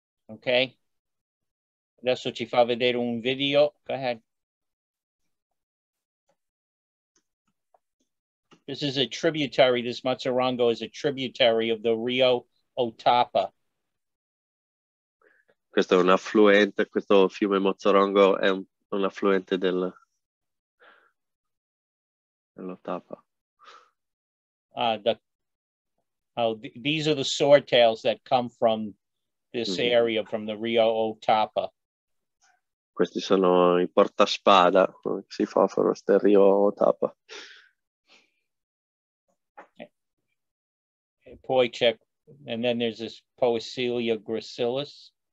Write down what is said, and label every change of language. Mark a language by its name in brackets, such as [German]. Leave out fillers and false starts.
[Italian] Okay. Adesso ci fa vedere un video. [English] Go ahead. This is a tributary. This Matsurango is a tributary of the Rio Otapa. [Italian] Questo è un affluente, questo fiume Matsurango è un affluente dell'Otapa. [English] These are the swordtails that come from this area, from the Rio Otapa. [Italian] Questi sono I portaspada, si fa fuori questo Rio Otapa. [English] Okay. [Italian] Poi c'è, [English] and then there's this Poecilia gracilis.